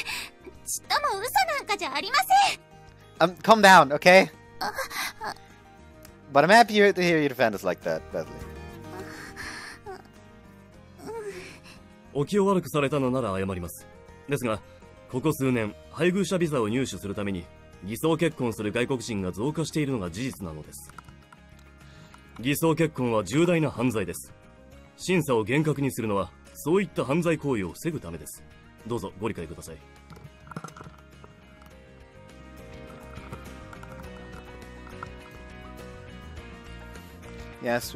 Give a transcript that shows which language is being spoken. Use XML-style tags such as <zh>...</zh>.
<ja>結婚してからもずっとラブラブな毎日を送っています。ちっとも嘘なんかじゃありません。</ja> <en>Calm down, okay? But I'm happy to hear you defend us like that, Bethly.</en> <ja>お気を悪くされたのなら謝ります。ですが、 ここ数年、配偶者ビザを入手するために偽装結婚する外国人が増加しているのが事実なのです。偽装結婚は重大な犯罪です。審査を厳格にするのはそういった犯罪行為を防ぐためです。どうぞご理解ください。</ja> <en>Yes,</en>